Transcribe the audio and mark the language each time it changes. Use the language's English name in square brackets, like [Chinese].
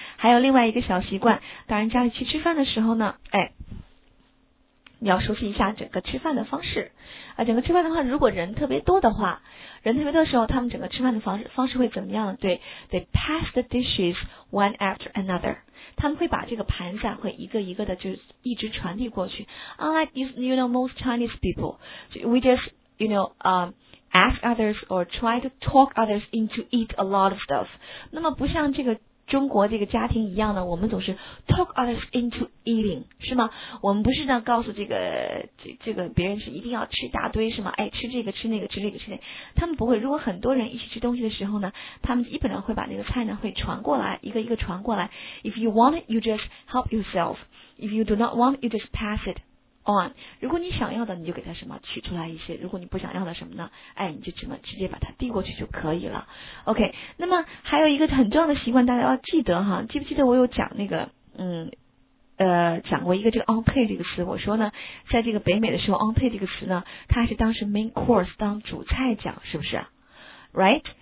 [Chinese] 还有另外一个小习惯，当然家里去吃饭的时候呢，哎，你要熟悉一下整个吃饭的方式。啊，整个吃饭的话，如果人特别多的话，人特别多的时候，他们整个吃饭的方式会怎么样？对 [English] ，they pass the dishes one after another。 [Chinese] 他们会把这个盘子会一个一个的就一直传递过去。 [English] Unlike you know most Chinese people, we just you know ask others or try to talk others into eat a lot of stuff。 [Chinese] 那么不像这个中国这个家庭一样呢，我们总是 [English] talk others into eating， [Chinese] 是吗？我们不是呢告诉这个别人是一定要吃一大堆，是吗？哎，吃这个吃那个吃这个吃那个，他们不会。如果很多人一起吃东西的时候呢，他们基本上会把那个菜呢会传过来，一个一个传过来。 [English] If you want it, you just help yourself. If you do not want it, you just pass it on. [Chinese] 如果你想要的，你就给他什么取出来一些；如果你不想要的什么呢，哎，你就什么直接把它递过去就可以了。 OK， 那么还有一个很重要的习惯，大家要记得哈，记不记得我有讲那个讲过一个这个 entree 这个词，我说呢，在这个北美的时候 ，entree 这个词呢，它是当时 main course 当主菜讲，是不是 ？Right？